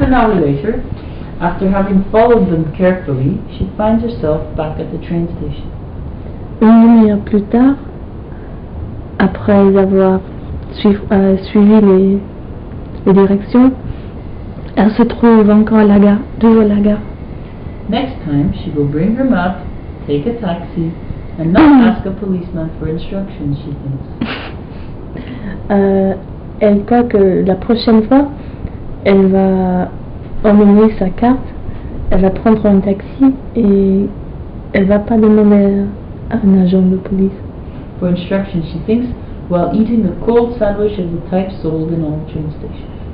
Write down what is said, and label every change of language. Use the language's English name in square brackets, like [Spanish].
[English] an hour later, after having followed them carefully, she finds herself back at the train station. [French] Une demi-heure plus tard, après avoir suivi les directions, elle se trouve encore à la gare, toujours à la gare. [English] Next time, she will bring her map, take a taxi, and not ask a policeman for instructions, she thinks. [French] Elle croit que la prochaine fois, elle va emmener sa carte, elle va prendre un taxi et elle va pas demander à un agent de police. [English] For instructions, she thinks, while eating a cold sandwich of the type sold in all train stations.